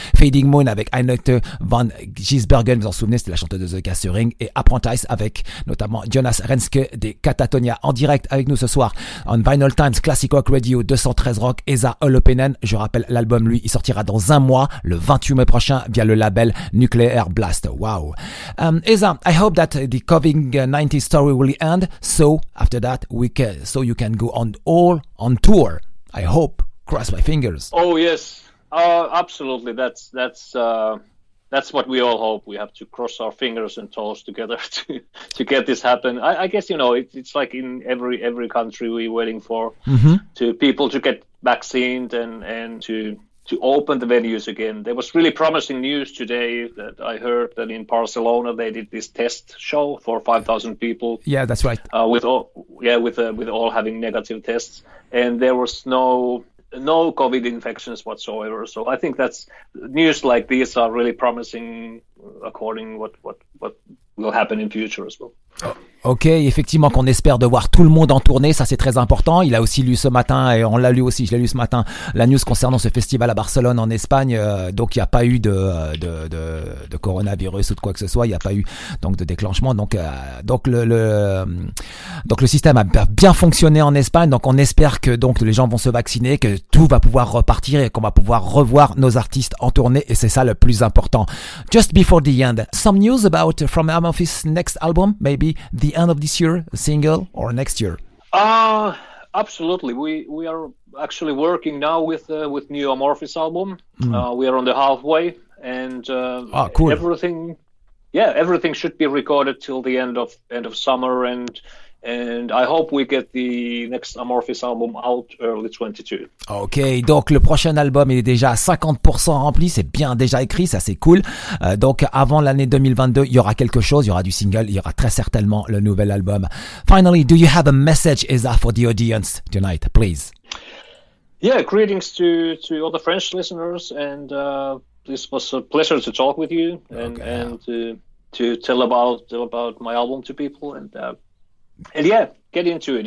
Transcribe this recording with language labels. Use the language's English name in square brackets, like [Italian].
[French] Fading Moon avec Annette van Gisbergen, vous en souvenez, c'était la chanteuse de The Gathering. Et Apprentice avec notamment Jonas Renske des Katatonia, en direct avec nous ce soir on Vinyl Times Classic Rock Radio 213 Rock. Esa Holopainen, je rappelle, l'album, lui, il sortira dans un mois, le 28 mai prochain, via le label Nuclear Blast. [English] Wow. Esa, I hope that the COVID-19 story will end, so after that you can go on tour. I hope. Cross my fingers. Oh yes, absolutely. That's what we all hope. We have to cross our fingers and toes together to get this happen. I guess, you know, it's like in every country we're waiting for to people to get vaccinated and to open the venues again. There was really promising news today that I heard that in Barcelona they did this test show for 5,000 people. Yeah, that's right. With all having negative tests, and there was no COVID infections whatsoever. So I think that's news like these are really promising, according what will happen in future as well. [French] Ok, effectivement, qu'on espère de voir tout le monde en tournée, ça c'est très important. Il a aussi lu ce matin, et on l'a lu aussi, je l'ai lu ce matin, la news concernant ce festival à Barcelone en Espagne. Donc il n'y a pas eu de coronavirus ou de quoi que ce soit, il n'y a pas eu donc de déclenchement. Donc le système a bien fonctionné en Espagne. Donc on espère que donc les gens vont se vacciner, que tout va pouvoir repartir et qu'on va pouvoir revoir nos artistes en tournée. Et c'est ça le plus important. [English] Just before the end, some news about from Amorphis next album, maybe the end of this year, a single, or next year? Absolutely. We are actually working now with new Amorphis album. We are on the halfway, and cool. Everything should be recorded till the end of summer, and I hope we get the next Amorphis album out early 22. [French] Ok, donc le prochain album, il est déjà à 50% rempli, c'est bien déjà écrit, ça c'est cool. Donc avant l'année 2022, il y aura quelque chose, il y aura du single, il y aura très certainement le nouvel album. [English] Finally, do you have a message, Esa, for the audience tonight, please? Yeah, greetings to all the French listeners, and this was a pleasure to talk with you, and to tell about my album to people, and yeah, get into it.